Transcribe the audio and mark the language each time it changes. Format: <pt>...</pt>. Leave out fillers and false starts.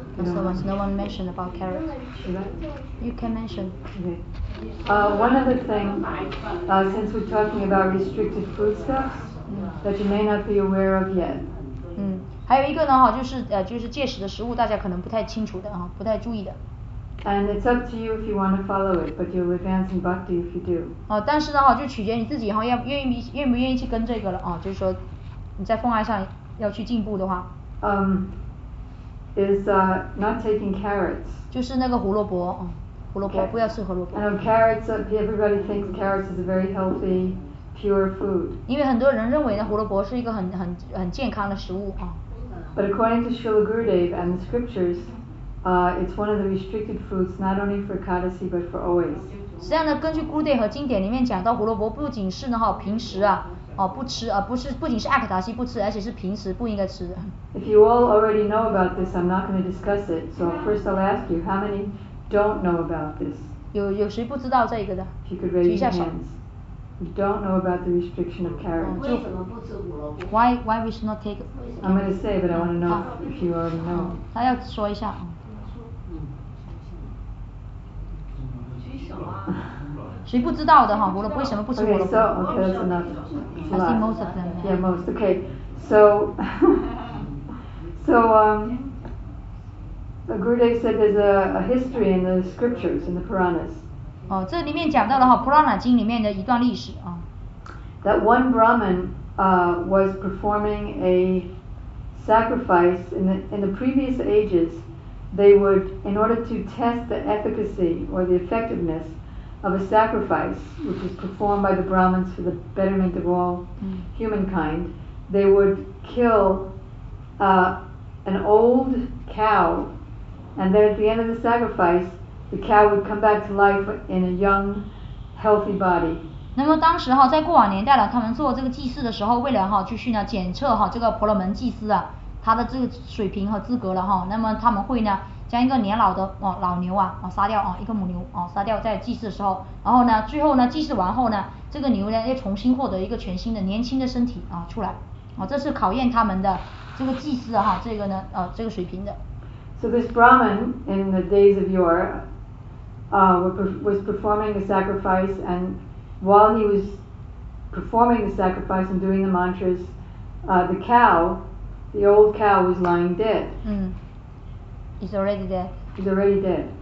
<en>Not so much. No one mentioned about carrots. You can mention. Okay. One other thing. Since we're talking about restricted foodstuffs that you may not be aware of yet. 嗯。</en> <zh>还有一个呢哈，就是戒食的食物，大家可能不太清楚的哈，不太注意的。</zh> <en>And it's up to you if you want to follow it, but you'll advance in bhakti if you do.</en> <zh>哦，但是呢哈，就取决你自己哈，愿不愿意去跟这个了啊，就是说你在奉爱上要去进步的话。</zh> <en>Is not taking carrots.</en> <zh>就是那个胡萝卜，胡萝卜</zh> <en>okay.</en> <zh>不要吃胡萝卜。</zh> <en>And carrots, everybody thinks carrots is a very healthy, pure food.</en> <zh>因为很多人认为呢，胡萝卜是一个很健康的食物啊。</zh> <en>But according to Srila Gurudev and the scriptures, it's one of the restricted foods not only for Ekadasi but for always.</en> <zh>实际上呢，根据 Gurudev 和经典里面讲到，胡萝卜不仅是呢哈平时啊哦不吃啊不是不仅是艾克达西不吃，而且是平时不应该吃的。</zh> <en>If you all already know about this, I'm not going to discuss it. So first, I'll ask you, how many don't know about this?</en> <zh>有谁不知道这个的？举一下手。</zh> <en>You don't know about the restriction of carrots. Why we should not take it? I'm going to say, but I want to know if you already know.</en> <zh>他要说一下。举手啊！谁不知道的哈？胡萝卜为什么不吃胡萝卜</zh> <en>？Okay, so okay, that's enough. I think most of them. Yeah, most. Okay, so Gurudev said there's a history in the scriptures in the Puranas.</en> <zh>Oh, 这里面讲到了哈，《普拉纳经》里面的一段历史啊。</zh> <en>That one Brahmin was performing a sacrifice in the previous ages. They would, in order to test the efficacy or the effectiveness of a sacrifice, which was performed by the Brahmins for the betterment of all humankind, they would kill an old cow, and then at the end of the sacrifice. The cow would come back to life in a young, healthy body.</en> <zh>那么当时哈，在过往年代了，他们做这个祭祀的时候，为了哈，就是呢，检测哈这个婆罗门祭司啊，他的这个水平和资格了哈。那么他们会呢，将一个年老的老牛啊杀掉啊，一个母牛啊杀掉，在祭祀的时候，然后呢，最后呢，祭祀完后呢，这个牛呢，又重新获得一个全新的年轻的身体啊出来啊，这是考验他们的这个祭祀哈，这个呢这个水平的。</zh> <en>So this Brahmin in the days of yore. Was performing a sacrifice, and while he was performing the sacrifice and doing the mantras, the cow, the old cow, was lying dead. He's already dead. He's already dead.</en>